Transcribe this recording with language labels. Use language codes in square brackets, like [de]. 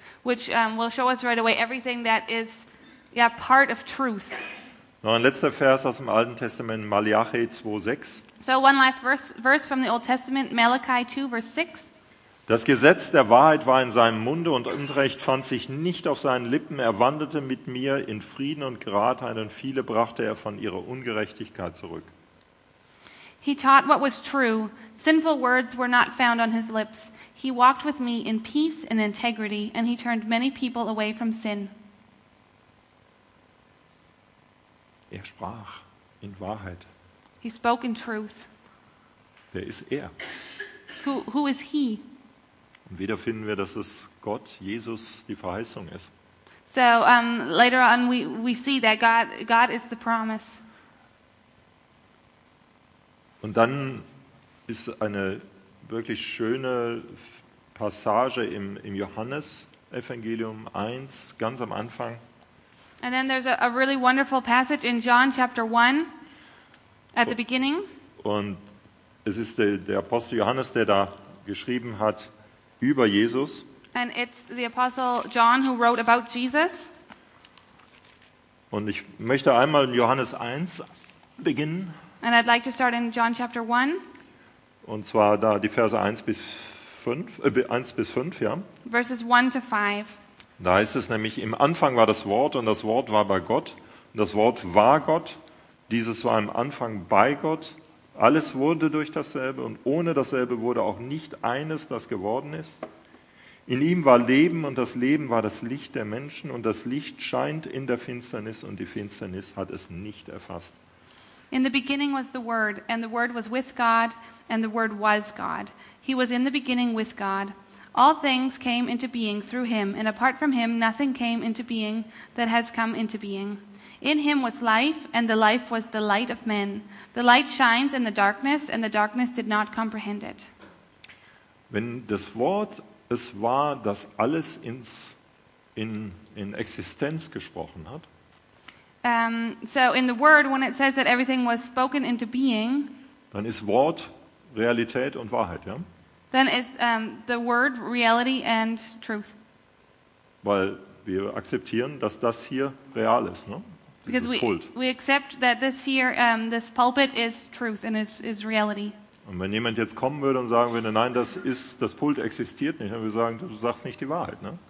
[en] Which will show us right away everything that is part of truth. [de] Noch ein letzter Vers aus dem Alten Testament, Malachi 2:6. [en] So one last verse from the Old Testament, Malachi 2, verse 6. [de] Das Gesetz der Wahrheit war in seinem Munde und Unrecht fand sich nicht auf seinen Lippen. Er wandelte mit mir in Frieden und Geradheit und viele brachte er von ihrer Ungerechtigkeit zurück. [en] He taught what was true. Sinful words were not found on his lips. He walked with me in peace and integrity and he turned many people away from sin. [de] Er sprach in Wahrheit. [en] He spoke in truth. [de] Wer ist er? [en] Who is he? [de] Und wieder finden wir, dass es Gott, Jesus, die Verheißung ist. [en] So later on we see that God is the promise. [de] Und dann ist eine wirklich schöne Passage im Johannes-Evangelium 1, ganz am Anfang. [en] And then there's a really wonderful passage in John chapter 1 at the beginning. [de] Und es ist der Apostel Johannes, der da geschrieben hat über Jesus. [en] And it's the Apostle John who wrote about Jesus. [de] Und ich möchte einmal in Johannes 1 beginnen. [en] And I'd like to start in John chapter 1. [de] Und zwar da die Verse 1 bis 5, ja. [en] Verses 1 to 5. [de] Da heißt es nämlich, im Anfang war das Wort und das Wort war bei Gott und das Wort war Gott. Dieses war im Anfang bei Gott. Alles wurde durch dasselbe und ohne dasselbe wurde auch nicht eines, das geworden ist. In ihm war Leben und das Leben war das Licht der Menschen und das Licht scheint in der Finsternis und die Finsternis hat es nicht erfasst. [en] In the beginning was the Word and the Word was with God and the Word was God. He was in the beginning with God. All things came into being through him, and apart from him, nothing came into being that has come into being. In him was life, and the life was the light of men. The light shines in the darkness, and the darkness did not comprehend it. [de] Wenn das Wort es war, das alles in Existenz gesprochen hat. [en] So in the word, when it says that everything was spoken into being, [de] dann ist Wort Realität und Wahrheit, ja? [en] Then is the word reality and truth. [de] Weil wir akzeptieren, dass das hier real ist, ne? [en] Because we accept that this here, this pulpit is truth and is reality. [de] Und wenn jemand jetzt kommen würde und sagen würde, nein, das Pult existiert nicht, dann würde ich sagen, du sagst nicht die Wahrheit, ne?